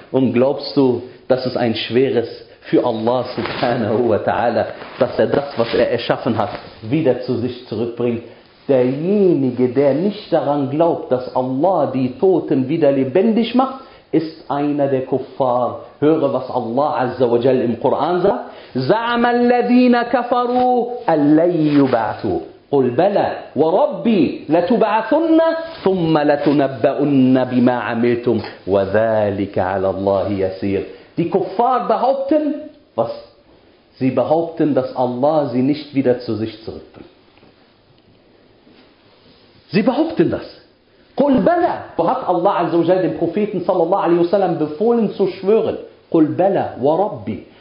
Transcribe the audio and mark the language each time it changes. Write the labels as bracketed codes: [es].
[de] Und glaubst du, das ist ein schweres für Allah subhanahu wa ta'ala, dass er das, was er erschaffen hat, wieder zu sich zurückbringt? Derjenige, der nicht daran glaubt, dass Allah die Toten wieder lebendig macht, ist einer der Kuffar. Höre, was Allah Azza wa Jal im Koran sagt. [ar] زعم الذين كفروا أن لن يبعثوا قل بلى وربي لتبعثن ثم لتنبؤن بما عملتم وذلك على الله يسير. [de] Die Kuffar behaupten, was? Sie behaupten, dass Allah sie nicht wieder zu sich zurückbringt. Sie behaupten das. [ar] قل بلى. [de] Du hast Allah عز وجل dem Propheten sallallahu alaihi wasallam befohlen zu schwören. [ar] قل بلى وربي.